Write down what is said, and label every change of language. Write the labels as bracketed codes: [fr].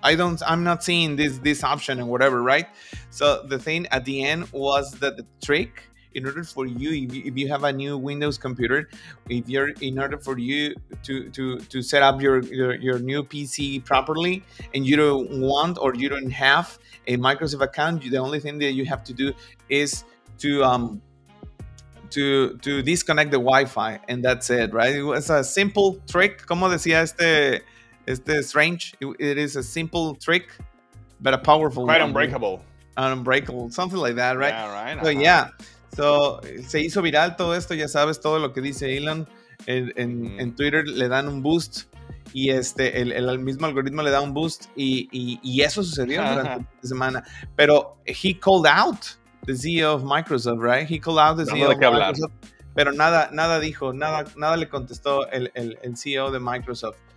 [en] I'm not seeing this option and whatever, right? So the thing at the end was that the trick in order for you, if you have a new Windows computer, in order for you to set up your new PC properly and you don't want or you don't have a Microsoft account, the only thing that you have to do is to disconnect the Wi-Fi and that's it, right? It was a simple trick. [es] Como decía este [en] strange. It is a simple trick, but a powerful one. Quite unbreakable. Unbreakable, something like that, right? Yeah, right. Uh-huh. So, yeah. [es] So, se hizo viral todo esto, ya sabes, todo lo que dice Elon en Twitter le dan un boost y el mismo algoritmo le da un boost y eso sucedió durante la semana. Pero [en] he called out the CEO of Microsoft, right? He called out the CEO of Microsoft. [es] Pero nada dijo, nada le contestó el CEO de Microsoft.